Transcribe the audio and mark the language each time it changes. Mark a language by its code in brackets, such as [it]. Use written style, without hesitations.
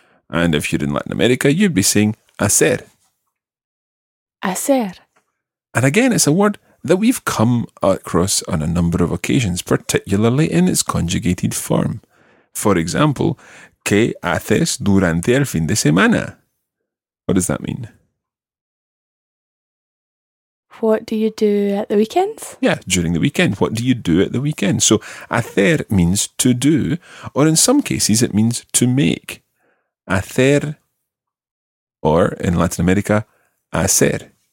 [en] And if you're in Latin America, you'd be saying hacer. [es] Hacer. [en] And again, it's a word that we've come across on a number of occasions, particularly in its conjugated form. [es] For example, ¿qué haces durante el fin de semana? [en] What does that mean? What do you do at the weekends? Yeah, during the weekend. What do you do at the weekend? So, hacer means to do, or in some cases it means to make. Hacer, or in Latin America, hacer.